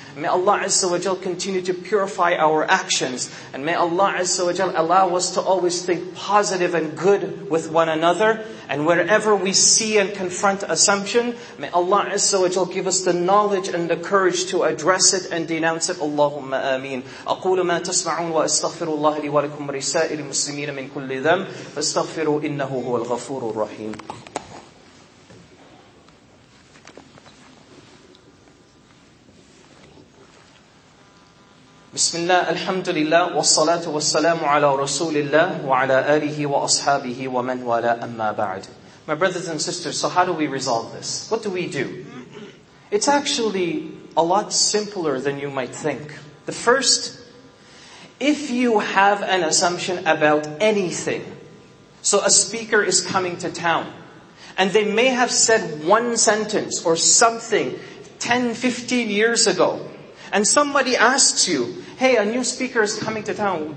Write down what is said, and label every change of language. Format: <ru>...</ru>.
<en>May Allah Azza wa Jal continue to purify our actions. And may Allah Azza wa Jal allow us to always think positive and good with one another. And wherever we see and confront assumption, may Allah Azza wa Jal give us the knowledge and the courage to address it and denounce it.</en> <ar>Allahumma ameen. أقول ما تسمعون وأستغفر الله لي ولكم رسائل المسلمين من كل ذنب فاستغفروا إنه هو الغفور الرحيم. بسم الله الحمد لله والصلاة والسلام على رسول الله وعلى آله وأصحابه ومن والاه أما بعد.</ar> <en>My brothers and sisters, so how do we resolve this? What do we do? It's actually a lot simpler than you might think. The first, if you have an assumption about anything, so a speaker is coming to town, and they may have said one sentence or something 10, 15 years ago, and somebody asks you, hey, a new speaker is coming to town.</en>